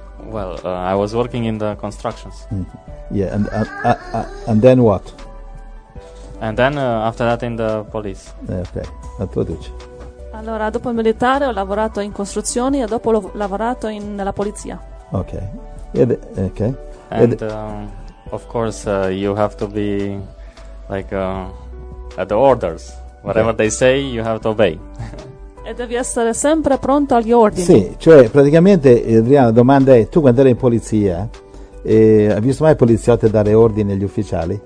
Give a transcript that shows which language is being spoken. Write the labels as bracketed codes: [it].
[en] Well, I was working in the constructions. Yeah, and then what? And then, after that, in the police. [it] Ok, a tu dici. Allora, dopo il militare ho lavorato in costruzioni e dopo ho lavorato nella polizia. Ok. Okay. [en] And, of course, you have to be, like... the orders, whatever, yeah, they say, you have to obey. [it] E devi essere sempre pronto agli ordini. Sì, cioè praticamente, Adriano, la domanda è, tu quando eri in polizia, hai visto mai i poliziotti dare ordini agli ufficiali?